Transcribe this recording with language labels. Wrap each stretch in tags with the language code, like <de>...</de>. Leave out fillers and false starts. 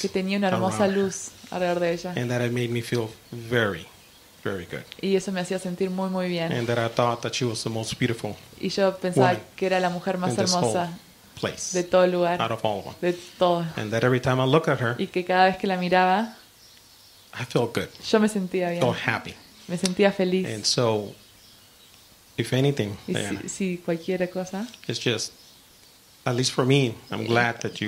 <es>Que tenía una hermosa luz alrededor de ella.</es> <en>And that it made me feel very, very good.</en> <es>Y eso me hacía sentir muy, muy bien.</es> <en>And that I thought that she was the most beautiful.</en> <es>Y yo pensaba que era la mujer más hermosa.</es> <en>Place.</en> <es>De todo el lugar.</es> <en>Out of all of them.</en> <es>De todo.</es> <en>And that every time I look at her.</en> <es>Y que cada vez que la miraba.</es> <en>I felt good.</en> <es>Yo me sentía bien.</es> <en>So happy.</en> <es>Me sentía feliz.</es> <en>And so, if anything, Diana,</en> <es>si cualquiera cosa,</es> <en>it's just, at least for me, I'm glad that you</en>